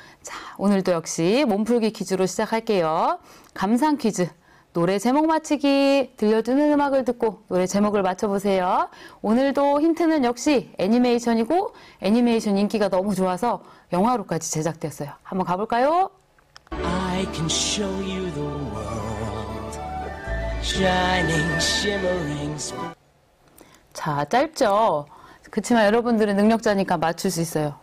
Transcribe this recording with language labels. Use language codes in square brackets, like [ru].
[ko] 자, 오늘도 역시 몸풀기 퀴즈로 시작할게요. 감상 퀴즈, 노래 제목 맞히기, 들려주는 음악을 듣고 노래 제목을 맞춰보세요. 오늘도 힌트는 역시 애니메이션이고 애니메이션 인기가 너무 좋아서 영화로까지 제작됐어요. 한번 가볼까요? [en] I can show you the world shining, shimmering. [ko] 자, 짧죠? 그렇지만 여러분들은 능력자니까 맞출 수 있어요.